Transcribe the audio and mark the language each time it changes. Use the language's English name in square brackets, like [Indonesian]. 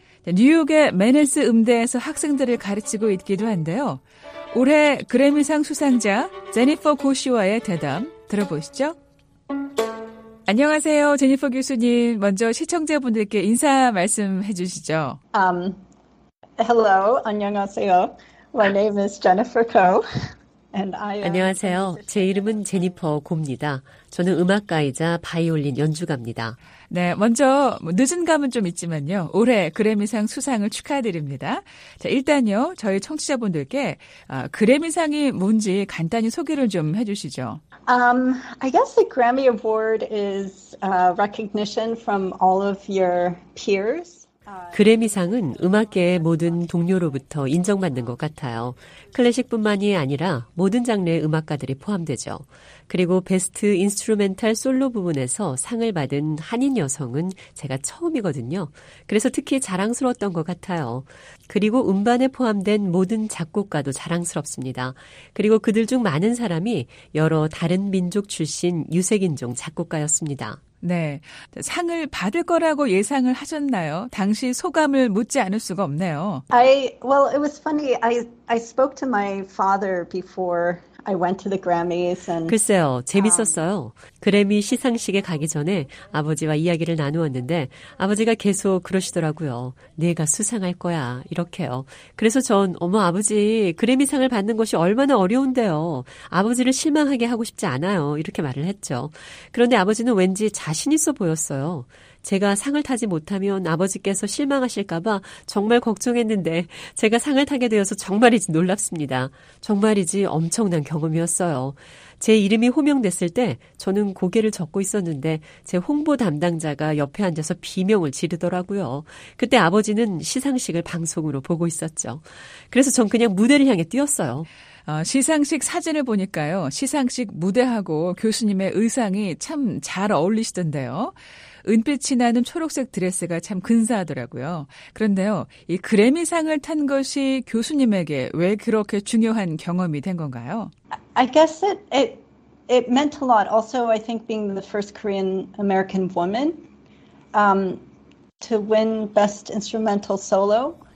[Korean] 뉴욕의 맨해스 음대에서 학생들을 가르치고 있기도 한데요. 올해 그래미상 수상자 제니퍼 고 씨와의 대담 들어보시죠. 안녕하세요, 제니퍼 교수님. 먼저 시청자분들께 인사 말씀해 주시죠. [English] Hello, [Korean] 안녕하세요. [English] My name is Jennifer Koh. [Korean] 안녕하세요. 제 이름은 제니퍼 고입니다. 저는 음악가이자 바이올린 연주가입니다. 네, 먼저 늦은 감은 좀 있지만요. 올해 그래미상 수상을 축하드립니다. 자, 일단요, 저희 청취자분들께 그래미상이 뭔지 간단히 소개를 좀 해주시죠. [English] I guess the Grammy Award is recognition from all of your peers. [Korean] 그래미상은 음악계의 모든 동료로부터 인정받는 것 같아요. 클래식뿐만이 아니라 모든 장르의 음악가들이 포함되죠. 그리고 베스트 인스트루멘탈 솔로 부분에서 상을 받은 한인 여성은 제가 처음이거든요. 그래서 특히 자랑스러웠던 것 같아요. 그리고 음반에 포함된 모든 작곡가도 자랑스럽습니다. 그리고 그들 중 많은 사람이 여러 다른 민족 출신 유색인종 작곡가였습니다. 네. 상을 받을 거라고 예상을 하셨나요? 당시 소감을 묻지 않을 수가 없네요. [English] It was funny. I spoke to my father before I went to the Grammys and [Korean] 글쎄요. 재밌었어요. 그래미 시상식에 가기 전에 아버지와 이야기를 나누었는데 아버지가 계속 그러시더라고요. 네가 수상할 거야. 이렇게요. 그래서 전 어머 아버지, 그래미상을 받는 것이 얼마나 어려운데요. 아버지를 실망하게 하고 싶지 않아요. 이렇게 말을 했죠. 그런데 아버지는 왠지 자신 있어 보였어요. 제가 상을 타지 못하면 아버지께서 실망하실까봐 정말 걱정했는데 제가 상을 타게 되어서 정말이지 놀랍습니다. 정말이지 엄청난 경험이었어요. 제 이름이 호명됐을 때 저는 고개를 젓고 있었는데 제 홍보 담당자가 옆에 앉아서 비명을 지르더라고요. 그때 아버지는 시상식을 방송으로 보고 있었죠. 그래서 전 그냥 무대를 향해 뛰었어요. 시상식 사진을 보니까요. 시상식 무대하고 교수님의 의상이 참 잘 어울리시던데요. 은빛이 나는 초록색 드레스가 참 근사하더라고요. 그런데요, 이 그래미상을 탄 것이 교수님에게 왜 그렇게 중요한 경험이 된 건가요? [English] I guess it meant a lot. Also, I think being the first Korean American woman to win Best Instrumental Solo.